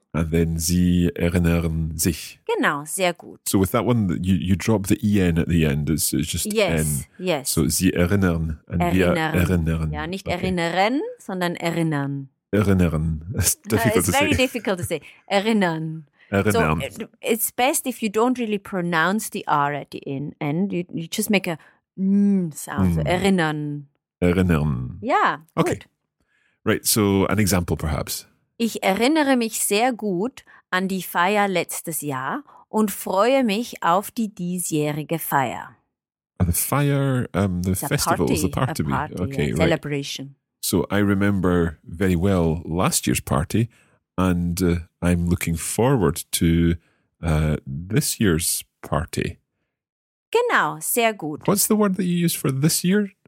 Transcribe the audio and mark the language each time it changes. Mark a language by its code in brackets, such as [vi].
[en] And then [de] sie erinnern sich. Genau, sehr gut. [en] So with that one, you drop the en at the end. It's just yes, n. Yes. [de] So sie erinnern. [en] And erinnern. [de] Wir erinnern. Ja, nicht okay. erinnern, sondern erinnern. Erinnern. [en] It's very difficult to say. [de] Erinnern. Erinnern. [en] So it's best if you don't really pronounce the R at the end. You just make a n sound. Mm. So erinnern. [de] Erinnern. [en] Yeah. Okay. Good. Right. So an example perhaps. [de] Ich erinnere mich sehr gut an die Feier letztes Jahr und freue mich auf die diesjährige Feier. [en] The fire, the festival, the party. Okay. Yeah, right. Celebration. So I remember very well last year's party, and I'm looking forward to this year's party. [de] Genau, sehr gut. [en] What's the word that you use for this year?